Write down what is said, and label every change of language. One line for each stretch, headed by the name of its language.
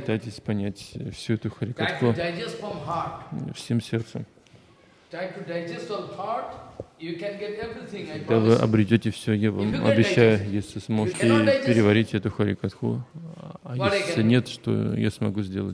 Russian: Пытайтесь понять всю эту харикатху всем сердцем.
English: Try to digest all thought, you can get everything.
Russian: Когда вы обретете все, я вам обещаю, если сможете переварить эту харикатху. А если нет, что я смогу сделать?